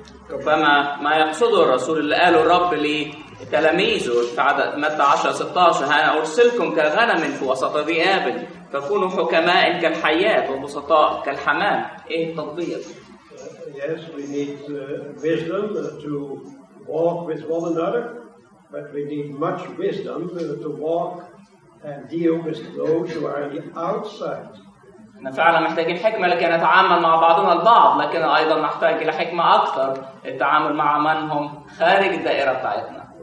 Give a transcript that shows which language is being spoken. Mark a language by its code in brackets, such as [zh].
[ar] ربما ما يقصده الرسول اللي قاله الرب لتلاميذه في عدد متى 10:16 أنا أرسلكم كغنم في وسط ذئاب فكونوا حكماء كالحيات وبسطاء كالحمام. إيه التضبيط؟ [en] Yes, we need wisdom to walk with one another, but we need much wisdom to walk and deal with those who are on the outside. [ar] إحنا فعلا محتاجين حكمة لكي نتعامل مع بعضنا البعض، لكن أيضا نحتاج إلى حكمة أكثر للتعامل مع من هم خارج الدائرة بتاعتنا.